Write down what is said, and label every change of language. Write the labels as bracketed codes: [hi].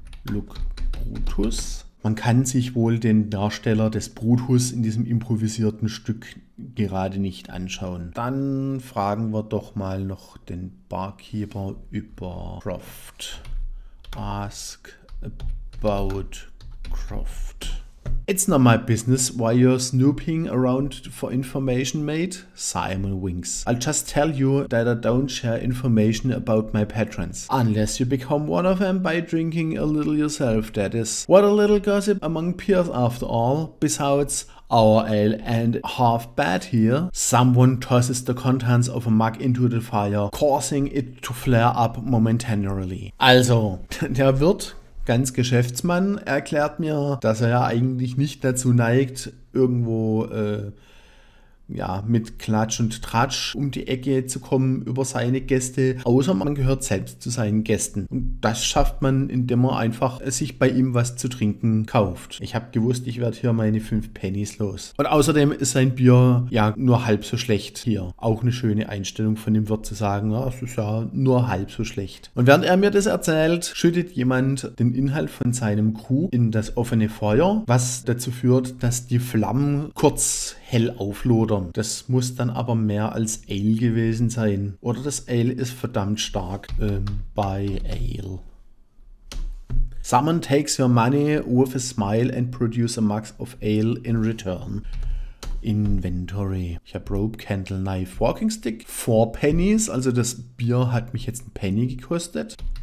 [en] Look Brutus. [de] Man kann sich wohl den Darsteller des Brutus in diesem improvisierten Stück gerade nicht anschauen. Dann fragen wir doch mal noch den Barkeeper über Croft. [en] Ask about Croft. It's not my business why you're snooping around for information, mate. Simon winks. I'll just tell you that I don't share information about my patrons. Unless you become one of them by drinking a little yourself, that is. What a little gossip among peers after all. Besides, our ale and half bad here. Someone tosses the contents of a mug into the fire, causing it to flare up momentarily. [de] Also, der Wirt, ganz Geschäftsmann, erklärt mir, dass er ja eigentlich nicht dazu neigt, irgendwo mit Klatsch und Tratsch um die Ecke zu kommen über seine Gäste, außer man gehört selbst zu seinen Gästen. Und das schafft man, indem man einfach sich bei ihm was zu trinken kauft. Ich habe gewusst, ich werde hier meine 5 Pennies los. Und außerdem ist sein Bier ja nur halb so schlecht hier. Auch eine schöne Einstellung von dem Wirt zu sagen, ja, es ist ja nur halb so schlecht. Und während er mir das erzählt, schüttet jemand den Inhalt von seinem Krug in das offene Feuer, was dazu führt, dass die Flammen kurz hell auflodern. Das muss dann aber mehr als Ale gewesen sein. Oder das Ale ist verdammt stark. Bei Ale. [en] Someone takes your money with a smile and produce a mug of ale in return. [de] Inventory. Ich habe Rope, Candle, Knife, Walking Stick. 4 Pennies. Also das Bier hat mich jetzt einen Penny gekostet.